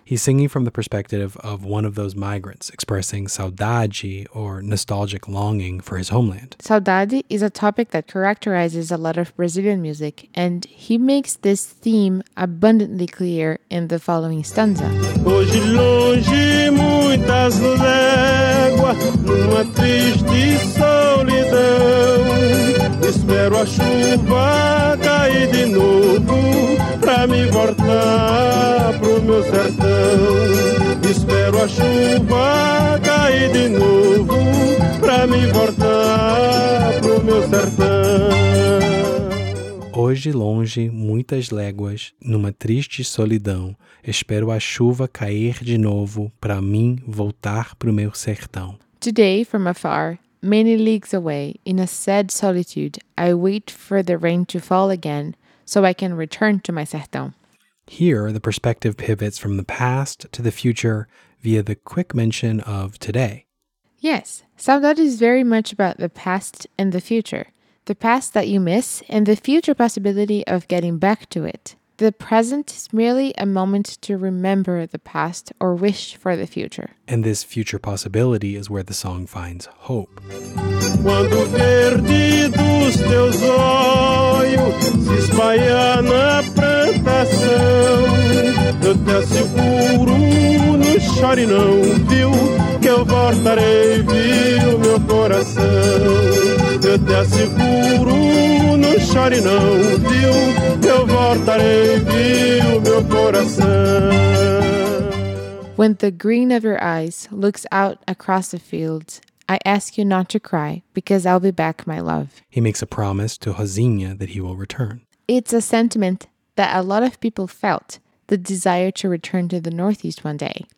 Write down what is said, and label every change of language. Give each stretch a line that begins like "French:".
English: He's singing from the perspective of one of those migrants, expressing saudade, or nostalgic longing, for his homeland. Saudade is a topic that characterizes a lot of Brazilian music, and he makes this theme abundantly clear in the following stanza.
Portuguese: Hoje longe muitas léguas, numa triste solidão. Espero a chuva cair de novo pra me voltar pro meu sertão. Espero a chuva cair de novo pra me voltar pro meu sertão. Hoje longe muitas léguas numa triste solidão. Espero a chuva cair de novo pra mim voltar pro meu sertão.
English: Today from afar, many leagues away, in a sad solitude, I wait for the rain to fall again, so I can return to my sertão. Here, the perspective pivots from the past to the future via the quick mention of today. Yes, saudade is very much about the past and the future. The past that you miss, and the future possibility of getting back to it. The present is merely a moment to remember the past or wish for the future. And this future possibility is where the song finds hope.
Portuguese: Quando verde dos teus olhos se espalha na plantação, eu te asseguro, não chore não, viu, que eu voltarei, viu, meu coração. Eu te asseguro, não chore não, viu, eu voltarei, viu, meu coração.
English: When the green of your eyes looks out across the fields, I ask you not to cry, because I'll be back, my love. He makes a promise to Rosinha that he will return. It's a sentiment that a lot of people felt, the desire to return to the Northeast one day.